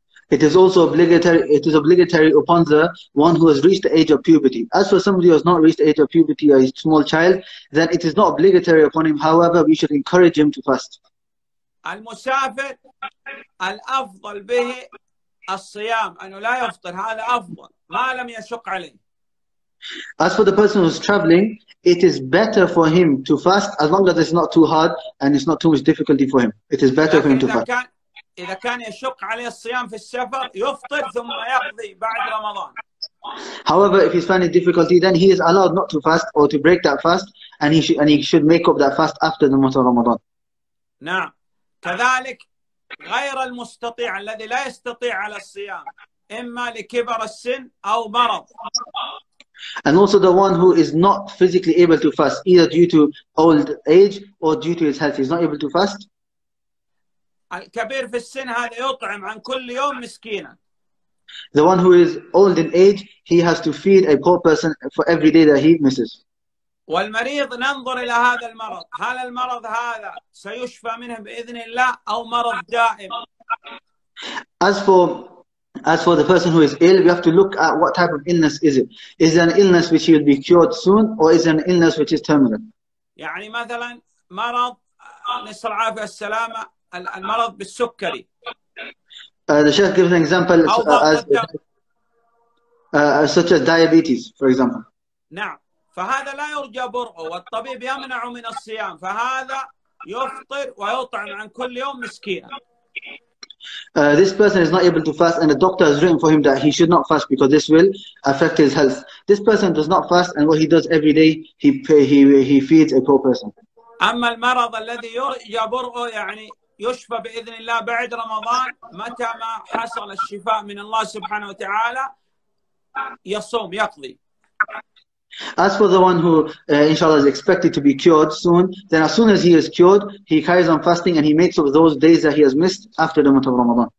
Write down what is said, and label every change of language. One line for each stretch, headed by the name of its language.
English: It is also obligatory. It is obligatory upon the one who has reached the age of puberty. As for somebody who has not reached the age of puberty, a small child, then it is not obligatory upon him. However, we should encourage him to fast.
Arabic: المسافر الأفضل به الصيام أنه لا يفطر هذا أفضل ما لم يشق عليه.
English: As for the person who is traveling, it is better for him to fast as long as it's not too hard and it's not too much difficulty for him. It is better for him to fast.
Arabic: إذا كان يشق عليه الصيام في السفر يفطر ثم يقضي بعد رمضان.
English: However, if he's finding difficulty, then he is allowed not to fast or to break that fast, and he should make up that fast after the month of Ramadan.
Arabic: نعم. كذلك غير المستطيع الذي لا يستطيع على الصيام إما لكبر السن أو مرض.
English: And also the one who is not physically able to fast, either due to old age or due to his health, he's not able to fast.
Arabic: الكبير في السن هذا يطعم عن كل يوم مسكينا.
English: The one who is old in age, he has to feed a poor person for every day that he misses.
Arabic: والمريض ننظر إلى هذا المرض، هل المرض هذا سيشفى منه بإذن الله أو مرض دائم؟
English: As for the person who is ill, we have to look at what type of illness is it. Is it an illness which he will be cured soon, or is it an illness which is terminal?
Arabic: يعني مثلا مرض نسأل العافية والسلامة المرض بالسكري.
English: The Sheikh gives an example
Arabic: أو ضغط الدم.
English: such as diabetes, for example.
Arabic: نعم. فهذا لا يرجى برعه والطبيب يمنع من الصيام فهذا يفطر ويطعم عن كل يوم مسكينا.
English: This person is not able to fast and the doctor has written for him that he should not fast because this will affect his health. This person does not fast and what he does every day, he feeds a poor person.
Arabic: أما المرض الذي يرجى برعه يعني يشفى بإذن الله بعد رمضان متى ما حصل الشفاء من الله سبحانه وتعالى يصوم يقضي.
English: As for the one who inshallah is expected to be cured soon, then as soon as he is cured, he carries on fasting and he makes up those days that he has missed after the month of Ramadan.